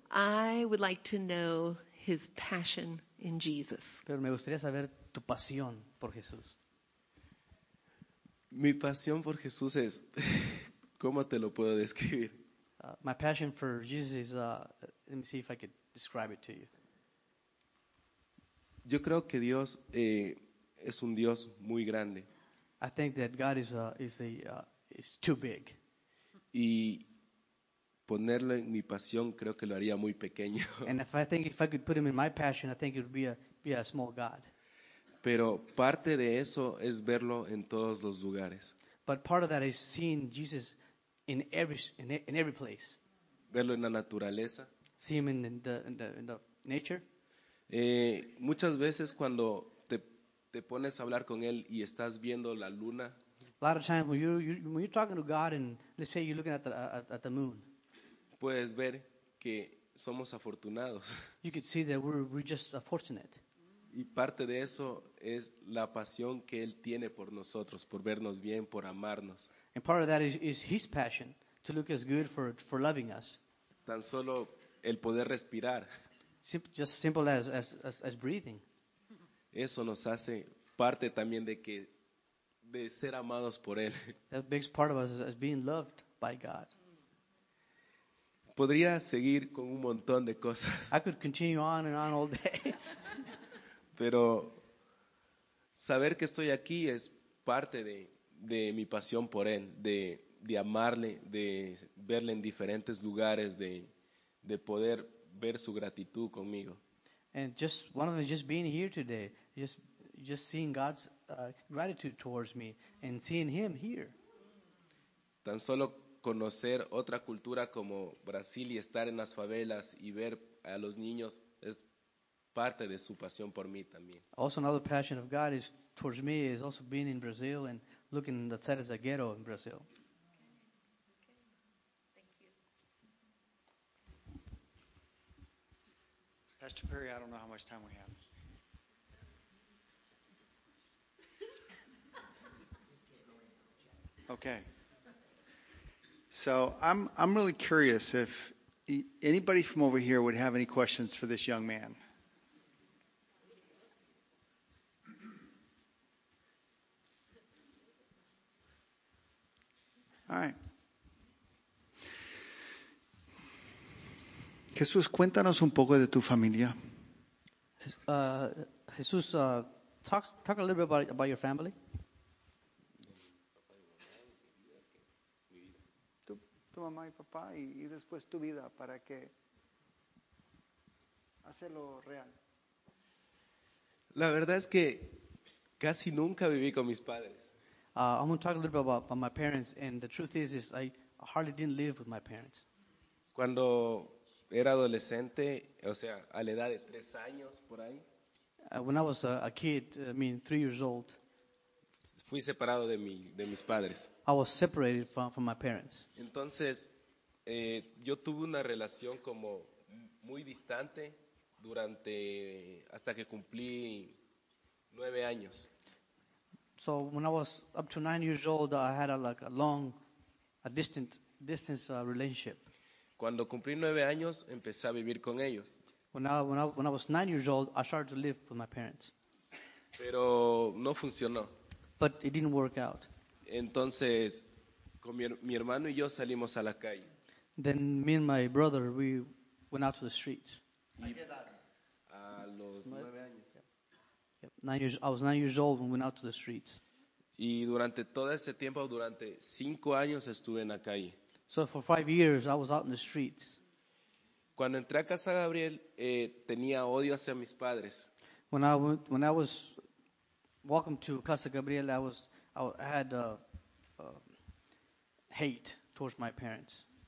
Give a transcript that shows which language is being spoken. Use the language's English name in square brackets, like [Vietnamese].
[English] I would like to know his passion in Jesus. [Spanish] Pero me gustaría saber tu pasión por Jesús. Mi pasión por Jesús es, ¿cómo te lo puedo describir? [English] My passion for Jesus is, let me see if I could describe it to you. [Spanish] Yo creo que Dios es un Dios muy grande. [English] I think that God is too big. [Spanish] Y ponerlo en mi pasión creo que lo haría muy pequeño. [English] And if I could put him in my passion, I think it would be a small God. [Spanish] Pero parte de eso es verlo en todos los lugares. [English] But part of that is seeing Jesus in every place. [Spanish] Verlo en la naturaleza. [English] See him in the nature. [Spanish] Muchas veces cuando te pones a hablar con él y estás viendo la luna. [English] A lot of times when you're talking to God and let's say you're looking at the moon. [Spanish] Puedes ver que somos afortunados. [English] You could see that we're just fortunate. [Spanish] Y parte de eso es la pasión que él tiene por nosotros, por vernos bien, por amarnos. [English] And part of that is his passion to look as good for loving us. [Spanish] Tan solo el poder respirar. [English] Just simple as breathing. [Spanish] Eso nos hace parte también de ser amados por él. [English] That makes part of us as being loved by God. [Spanish] Podría seguir con un montón de cosas. [English] I could continue on and on all day. [Spanish] Pero saber que estoy aquí es parte de mi pasión por él, de amarle, de verle en diferentes lugares, de poder ver su gratitud conmigo. [English] And just one of them, just being here today, just seeing God's gratitude towards me and seeing him here. [Spanish] Tan solo conocer otra cultura como Brasil y estar en las favelas y ver a los niños es parte de su pasión por mí también. [English] Also another passion of God is towards me is also being in Brazil and looking at the Ceres de Ghetto in Brazil. Pastor Perry, I don't know how much time we have. Okay. So I'm really curious if anybody from over here would have any questions for this young man. All right. [Spanish] Jesús, cuéntanos un poco de tu familia. [English] Jesús, talk a little bit about your family. [Spanish] Tu mamá y papá y después tu vida para que hacerlo real. La verdad es que casi nunca viví con mis padres. [English] I'm going to talk a little bit about my parents, and the truth is I hardly didn't live with my parents. [Spanish] Cuando era adolescente, o sea, a la edad de 3 años, por ahí. [English] When I was a kid, I mean 3 years old. [Spanish] Fui separado de mis padres. [English] I was separated from my parents. [Spanish] Entonces, yo tuve una relación como muy distante durante, hasta que cumplí 9 años. [English] So when I was up to 9 years old, I had a distant relationship. [Spanish] Cuando cumplí 9 años, empecé a vivir con ellos. [English] When I was 9 years old, I started to live with my parents. [Spanish] Pero no funcionó. [English] But it didn't work out. [Spanish] Entonces, con mi hermano y yo salimos a la calle. [English] Then me and my brother, we went out to the streets. [Spanish] ¿A qué edad? A los 9 años. [English] Yep. I was 9 years old when we went out to the streets. [Spanish] Y durante todo ese tiempo, durante 5 años, estuve en la calle. [English] So for 5 years, I was out in the streets. [Spanish] Cuando entré a casa Gabriel, tenía odio hacia mis padres. [English] When I was welcome to casa Gabriel, I had hate towards my parents.